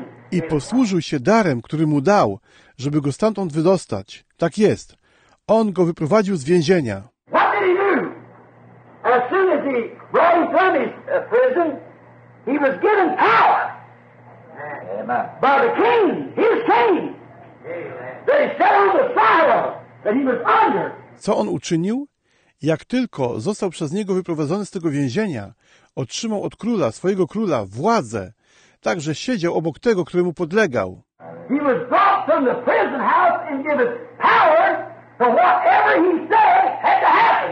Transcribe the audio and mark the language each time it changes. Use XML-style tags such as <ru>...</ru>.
<pl>I posłużył się darem, który mu dał, żeby go stamtąd wydostać. Tak jest. On go wyprowadził z więzienia.</pl> <en>What did he do? As soon as he brought him from his prison, he was given power. By the king, his king, that he set on the fire that he was under.</en> <pl>Co on uczynił? Jak tylko został przez niego wyprowadzony z tego więzienia, otrzymał od króla, swojego króla, władzę, także siedział obok tego, któremu podlegał.</pl> <en>He was brought from the prison house and given power for whatever he said had to happen.</en>